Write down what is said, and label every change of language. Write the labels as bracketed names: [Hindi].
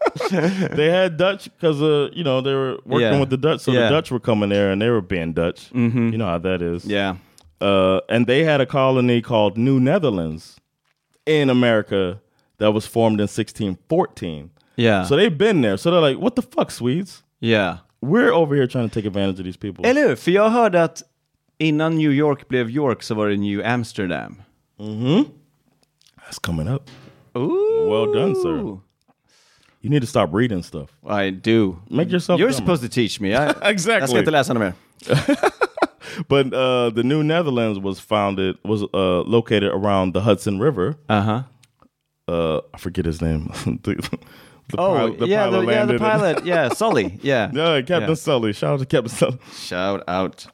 [English] They had Dutch because, you know, they were working with the Dutch. So the Dutch were coming there and they were being Dutch. Mm-hmm. You know how that is. Yeah. And they had a colony called New Netherlands in America that was formed in 1614. Yeah. So they've been there. So they're like, what the fuck, Swedes? Yeah. We're over here trying to take advantage of these people. [Swedish] Eller, för jag hörde att innan New York blev York så var det New Amsterdam. [English] Mm-hmm. That's coming up. Ooh. Well done, sir. You need to stop reading stuff. I do. Make yourself You're dumber. Supposed to teach me. Exactly. [Swedish] Jag ska inte läsa någon mer. [English] But the New Netherlands was located around the Hudson River. Uh-huh. I forget his name. The pilot. Yeah, Sully. Yeah. Captain Sully. Shout out to Captain Sully. Shout out.